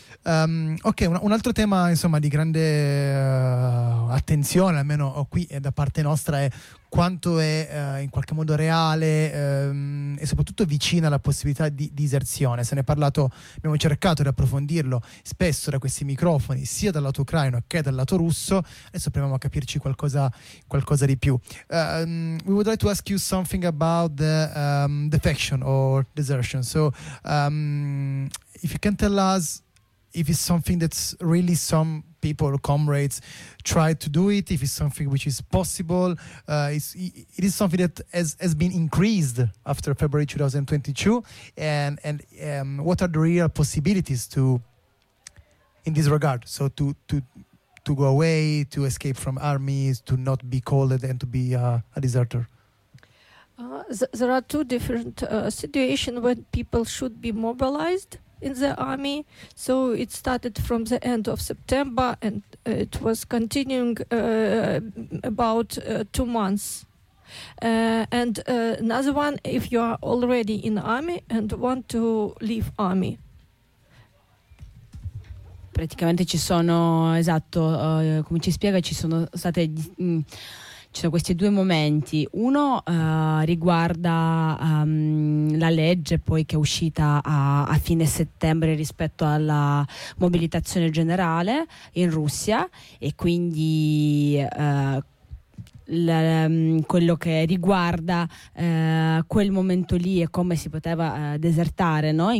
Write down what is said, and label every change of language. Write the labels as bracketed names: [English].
[Italian] Ok, un altro tema, insomma, di grande attenzione, almeno qui da parte nostra, è quanto è in qualche modo reale e soprattutto vicina alla possibilità di diserzione. Se ne è parlato, abbiamo cercato di approfondirlo spesso da questi microfoni, sia dal lato ucraino che dal lato russo. Adesso proviamo a capirci qualcosa di più. [English] We would like to ask you something about the defection or desertion. So, if you can tell us if it's something that's really some people or comrades try to do it, if it's something which is possible, it is something that has been increased after February 2022, and what are the real possibilities to, in this regard, so to go away, to escape from armies, to not be called and to be a deserter? There are two different situations when people should be mobilized in the army. So it started from the end of September and it was continuing about 2 months. And another one, if you are already in army and want to leave army. [Italian] Praticamente ci sono, esatto, come ci spiega, ci sono state... ci sono questi due momenti. Uno riguarda la legge poi che è uscita a fine settembre rispetto alla mobilitazione generale in Russia, e quindi quello che riguarda quel momento lì e come si poteva desertare, no?